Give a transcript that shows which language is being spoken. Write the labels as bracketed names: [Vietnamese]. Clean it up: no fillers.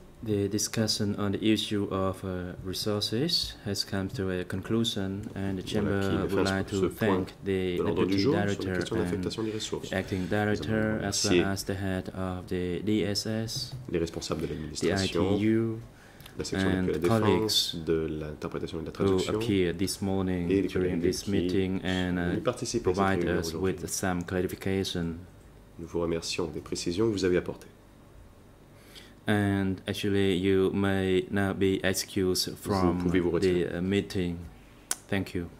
[English] The discussion on the issue of resources has come to a conclusion, and the Chamber would like to thank the Deputy Director and the Acting Director, as well as the head of the DSS, [French] les responsables de l'administration, [English] the ITU, and colleagues [French] de l'interprétation et de la traduction, [English] who appear this morning during this meeting and provide us with some clarification. [French] Nous vous remercions des précisions que vous avez apportées. [English] And actually, you may now be excused from the meeting. Thank you.